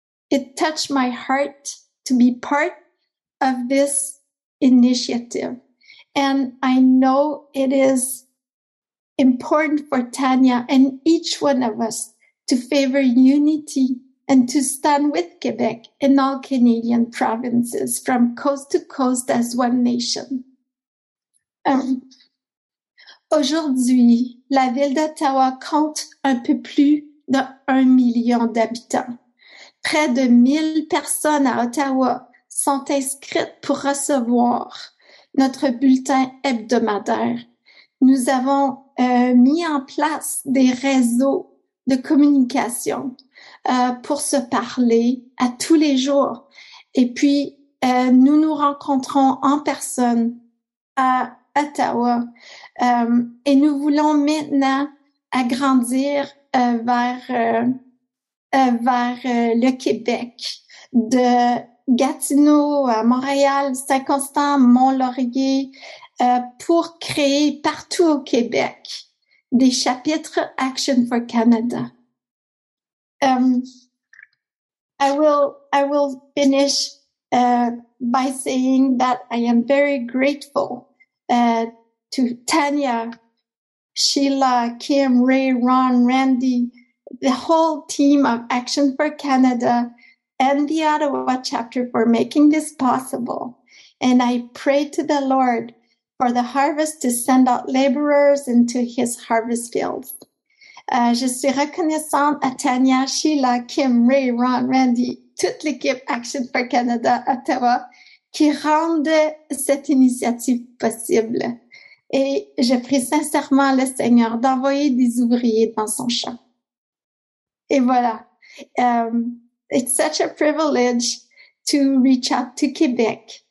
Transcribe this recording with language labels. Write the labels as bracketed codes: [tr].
[en] It touched my heart to be part of this initiative, and I know it is important for Tanya and each one of us to favor unity and to stand with Quebec and all Canadian provinces from coast to coast as one nation. [fr] Aujourd'hui, la ville d'Ottawa compte un peu plus de 1 million d'habitants. Près de 1 000 personnes à Ottawa sont inscrites pour recevoir notre bulletin hebdomadaire. Nous avons mis en place des réseaux de communication pour se parler à tous les jours. Et puis, nous nous rencontrons en personne à Ottawa. Et nous voulons maintenant agrandir vers le Québec, de Gatineau à Montréal, Saint-Constant, Mont-Laurier, pour créer partout au Québec des chapitres Action for Canada. [en] I will finish by saying that I am very grateful to Tanya, Sheila, Kim, Ray, Ron, Randy, the whole team of Action for Canada and the Ottawa chapter for making this possible. And I pray to the Lord for the harvest to send out laborers into his harvest fields. [fr] Je suis reconnaissante à Tanya, Sheila, Kim, Ray, Ron, Randy, toute l'équipe Action for Canada Ottawa qui rendent cette initiative possible. Et je prie sincèrement le Seigneur d'envoyer des ouvriers dans son champ. Et voilà. [en] It's such a privilege to reach out to Quebec.